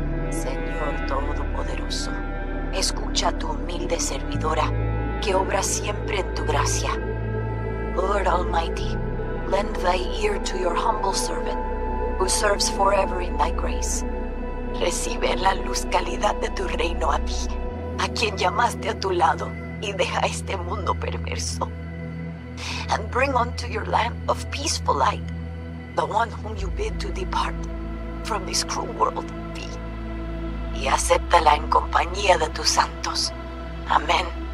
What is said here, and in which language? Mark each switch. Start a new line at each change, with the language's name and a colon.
Spanish: Señor Todopoderoso, escucha a tu humilde servidora, que obra siempre en tu gracia.
English: Lord Almighty, lend thy ear to your humble servant, who serves forever in thy grace.
Spanish: Recibe la luz calidad de tu reino a ti, a quien llamaste a tu lado, y deja este mundo perverso.
English: And bring unto your land of peaceful light the one whom you bid to depart from this cruel world of thee.
Spanish: Y acéptala en compañía de tus santos. Amén.